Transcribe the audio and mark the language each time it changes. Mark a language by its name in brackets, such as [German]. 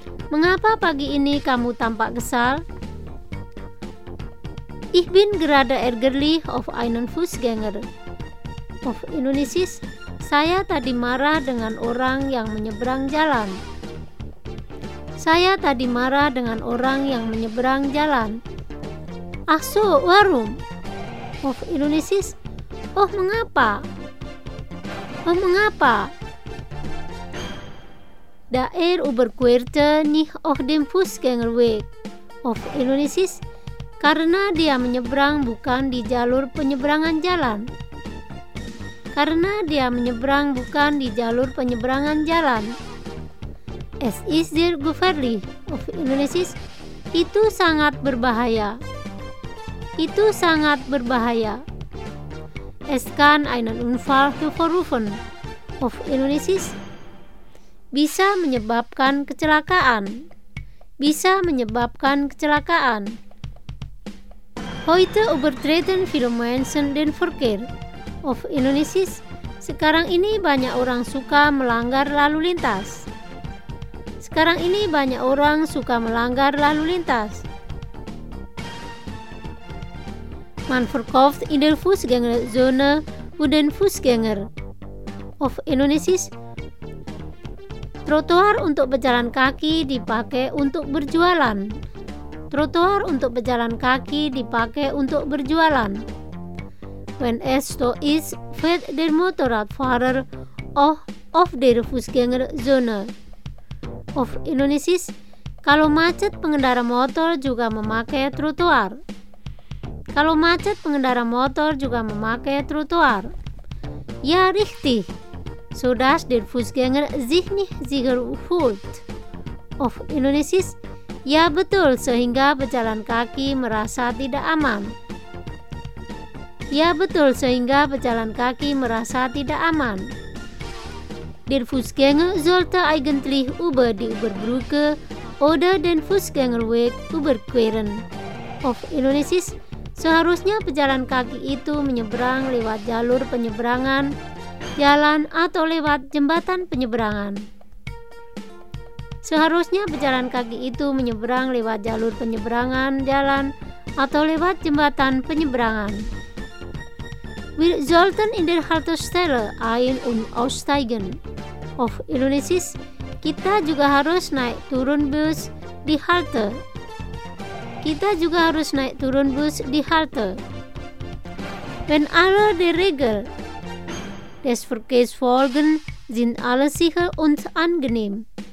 [Indonesian] Mengapa pagi ini kamu tampak kesal? [German] Ich bin gerade ärgerlich auf einen Fußgänger. Auf Indonesisch, [Indonesian] saya tadi marah dengan orang yang menyeberang jalan. Saya tadi marah dengan orang yang menyeberang jalan. [German] Ach so, warum? Auf Indonesisch, [Indonesian] oh mengapa? Oh mengapa? [German] Da er überquerte nicht auf dem Fußgängerweg. Auf Indonesisch, [Indonesian] karena dia menyeberang bukan di jalur penyeberangan jalan. Karena dia menyeberang bukan di jalur penyeberangan jalan. [German] Es ist sehr gefährlich auf Indonesisch. [Indonesian] Itu sangat berbahaya. Itu sangat berbahaya. [German] Es kann einen Unfall hervorrufen auf Indonesisch. [Indonesian] Bisa menyebabkan kecelakaan. Bisa menyebabkan kecelakaan. [German] Heute übertreten viele Menschen den Verkehr auf Indonesisch. [Indonesian] Sekarang ini banyak orang suka melanggar lalu lintas. Sekarang ini banyak orang suka melanggar lalu lintas. [German] Man verkauft in der Fußgängerzone wooden Fußgänger auf Indonesisch. [Indonesian] Trotoar untuk pejalan kaki dipakai untuk berjualan. Trotoar untuk pejalan kaki dipakai untuk berjualan. [German] Wenn es so ist, fährt der Motorradfahrer auf der Fußgängerzone. Auf Indonesisch, [Indonesian] kalau macet pengendara motor juga memakai trotoar. Kalau macet pengendara motor juga memakai trotoar. [German] Ja, richtig. So dass der Fußgänger sich nicht sicher fühlt. Auf Indonesisch, [Indonesian] ja betul, sehingga pejalan kaki merasa tidak aman. Ya betul, sehingga pejalan kaki merasa tidak aman. [German] Der Fußgänger sollte eigentlich über die Überbrücke oder den Fußgängerweg überqueren. Auf Indonesisch, [Indonesian] seharusnya pejalan kaki itu menyeberang lewat jalur penyeberangan jalan atau lewat jembatan penyeberangan. Seharusnya pejalan kaki itu menyeberang lewat jalur penyeberangan jalan atau lewat jembatan penyeberangan. [German] Wir sollten in der Haltestelle ein- und aussteigen. Auf Indonesisch, [Indonesian] kita juga harus naik turun bus di halte. Kita juga harus naik turun bus di halte. [German] Wenn alle die Regel des Verkehrs folgen, sind alle sicher und angenehm.